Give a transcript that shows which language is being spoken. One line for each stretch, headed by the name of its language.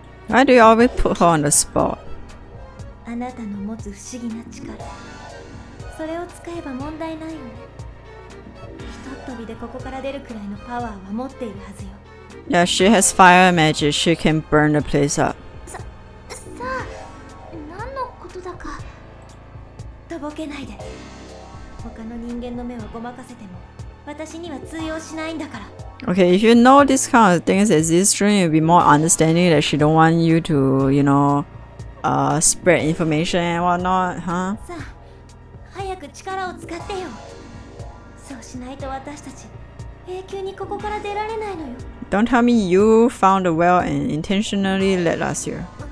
English: Why do you always put her on the spot?
Japanese: あなたの持つ不思議な力、それを使えば問題ないよね。ひとっ飛びでここから出るくらいのパワーは持っているはずよ。Yeah,
English: she has fire magic. She can burn the place up.
Japanese: さあ、何のことだか。とぼけないで。他の人間の目はごまかせても、私には通用しないんだから。Okay,
English: if you know this kind of things exist, you'll be more understanding that she don't want you to, you know, spread information and whatnot, huh?
Japanese: さあ、早く力を使ってよ。そうしないと私たち永久にここから出られないのよ。
English: Don't tell me you found the well and intentionally led us here.